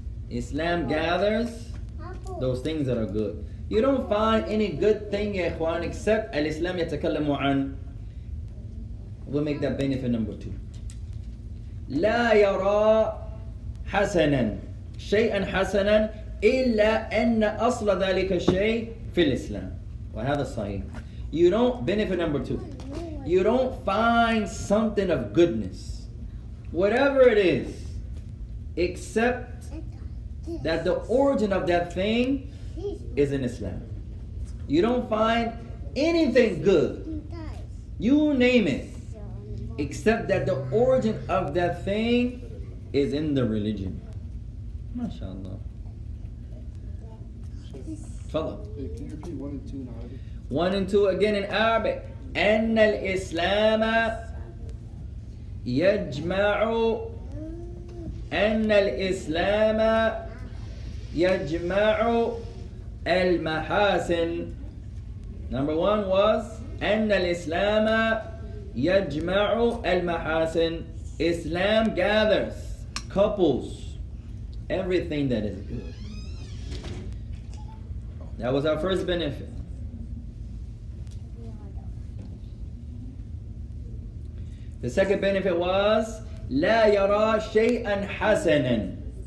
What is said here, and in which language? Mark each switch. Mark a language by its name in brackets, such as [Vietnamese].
[English] Islam gathers those things that are good. You don't find any good thing, ikhwan, except [Arabic] al-Islam yatakallamu an. [English] We'll make that benefit number two. [Arabic] لا يرى حسنا شيئا حسنا إلا أن أصل ذلك الشيء في الإسلام. وهذا صحيح. [English] You don't, benefit number two. You don't find something of goodness, whatever it is, except that the origin of that thing is in Islam. You don't find anything good, you name it, except that the origin of that thing is in the religion. MashaAllah. Follow. Can you repeat 1 and 2 in Arabic? 1 and 2 again in Arabic. [Arabic] أن الإسلام يجمع أن الإسلام يجمع المحاسن. [English] Number one was [Arabic] أن الإسلام يجمع المحاسن. [English] Islam gathers, couples, everything that is good. That was our first benefit. The second benefit was [Arabic] لا يرى شيئا حسنا.